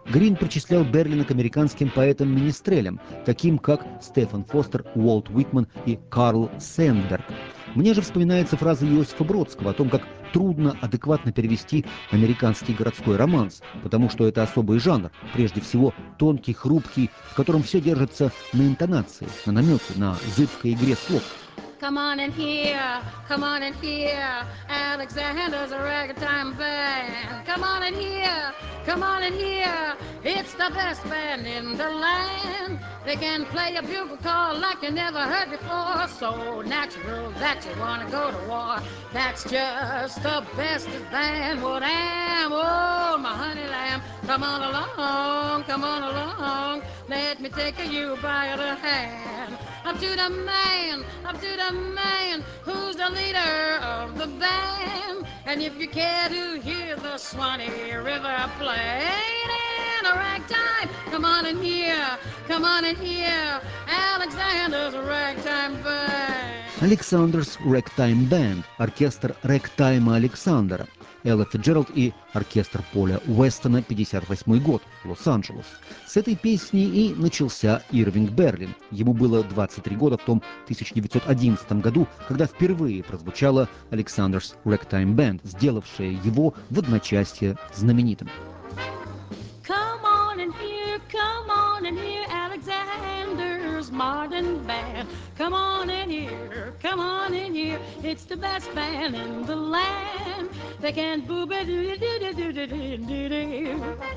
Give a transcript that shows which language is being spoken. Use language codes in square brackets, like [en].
[ru] Грин причислял Берлина к американским поэтам-менестрелям, таким как Стефан Фостер, Уолт Уитман и Карл Сэндберг. Мне же вспоминается фраза Иосифа Бродского о том, как трудно адекватно перевести американский городской романс, потому что это особый жанр, прежде всего тонкий, хрупкий, в котором все держится на интонации, на намеке, на зыбкой игре слов. [en] Come on in here, come on in here, Alexander's ragtime band. Come on in here, come on in here, it's the best band in the land. They can play a bugle call like you never heard before. So natural that you wanna go to war. That's just the best band. What am, oh my honey lamb. Come on along, come on along. Let me take you by the hand. Up to the man, who's the leader of the band. And if you care to hear the Swanee River playing in a ragtime, come on in here, come on in here, Alexander's ragtime band. [ru] Alexander's ragtime band, оркестр рэгтайма Александра. Элла Фиджеральд и оркестр Поля Уэстона, 58 год, Лос-Анджелес. С этой песни и начался Ирвинг Берлин. Ему было 23 года в том 1911 году, когда впервые прозвучала Alexander's Ragtime Band, сделавшая его в одночасье знаменитым. [en] Come on in here, come on in here, Alexander's Martin Band. Come on in here, come on in here, it's the best band in the land. They can booby-doo-doo-doo-doo-doo-doo-doo-doo.